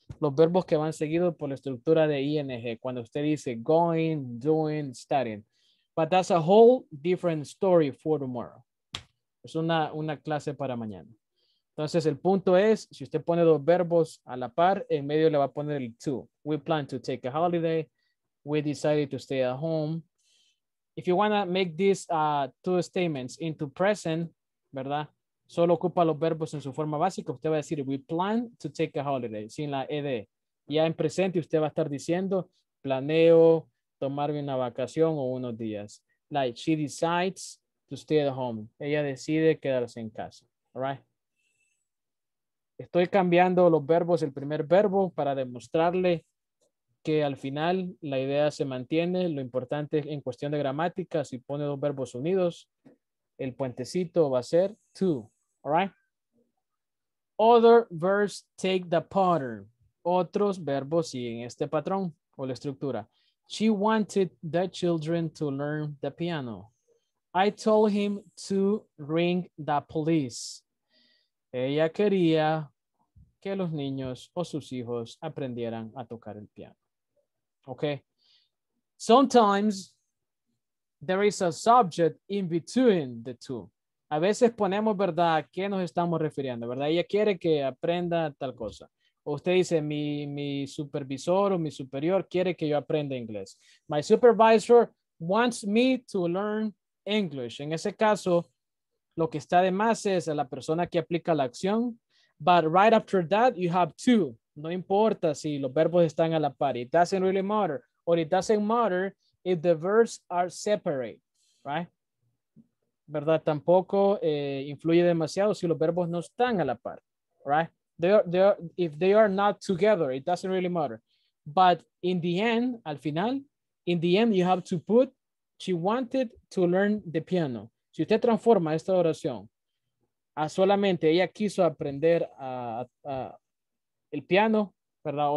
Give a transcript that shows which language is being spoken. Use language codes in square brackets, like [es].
[es] los verbos que van seguidos por la estructura de ing, cuando usted dice going, doing, studying. [en] But that's a whole different story for tomorrow. [es] Es una clase para mañana. Entonces, el punto es, si usted pone dos verbos a la par, en medio le va a poner el to. [en] We plan to take a holiday. We decided to stay at home. If you want to make these two statements into present, [es] ¿verdad? Solo ocupa los verbos en su forma básica. Usted va a decir, [en] we plan to take a holiday, [es] sin la ed. Ya en presente, usted va a estar diciendo, planeo tomarme una vacación o unos días. [en] Like, she decides to stay at home. [es] Ella decide quedarse en casa. [en] All right? [es] Estoy cambiando los verbos, el primer verbo, para demostrarle que al final la idea se mantiene. Lo importante es, en cuestión de gramática, si pone dos verbos unidos, el puentecito va a ser to. [en] All right? Other verbs take the pattern. [es] Otros verbos siguen este patrón o la estructura. [en] She wanted the children to learn the piano. I told him to ring the police. [es] Ella quería que los niños o sus hijos aprendieran a tocar el piano. [en] Okay. Sometimes there is a subject in between the two. [es] A veces ponemos, ¿verdad?, a qué nos estamos refiriendo, ¿verdad? Ella quiere que aprenda tal cosa. O usted dice, mi supervisor o mi superior quiere que yo aprenda inglés. [en] My supervisor wants me to learn English. [es] En ese caso, lo que está de más es a la persona que aplica la acción. [en] But right after that, you have to. [es] No importa si los verbos están a la par. [en] It doesn't really matter. Or it doesn't matter if the verbs are separate. Right? [es] ¿Verdad? Tampoco influye demasiado si los verbos no están a la par. [en] Right? If they are not together, it doesn't really matter. But in the end, [es] al final, [en] in the end, you have to put, she wanted to learn the piano. [es] Si usted transforma esta oración a solamente ella quiso aprender a el piano, ¿verdad?